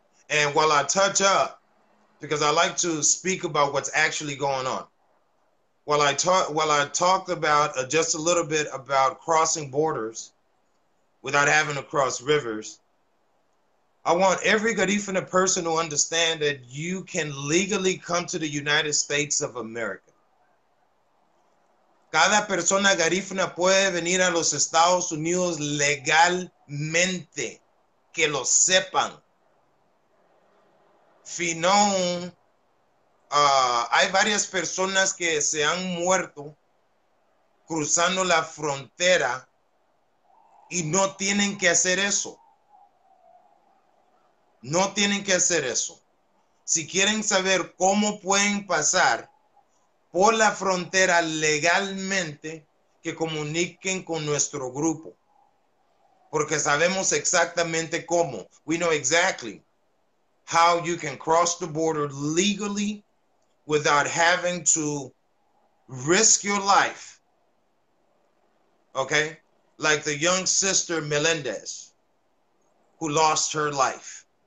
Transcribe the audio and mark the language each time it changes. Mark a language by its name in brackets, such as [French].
[English] And while I touch up, because I like to speak about what's actually going on, while I talk about just a little bit about crossing borders, without having to cross rivers. I want every Garifuna person to understand that you can legally come to the United States of America. [Spanish] Cada persona Garifuna puede venir a los Estados Unidos legalmente. Que lo sepan. Si no, hay varias personas que se han muerto cruzando la frontera y no tienen que hacer eso. No tienen que hacer eso. Si quieren saber cómo pueden pasar por la frontera legalmente, que comuniquen con nuestro grupo. Porque sabemos exactamente cómo. [English] We know exactly how you can cross the border legally without having to risk your life. Okay? Like the young sister Melendez, who lost her life.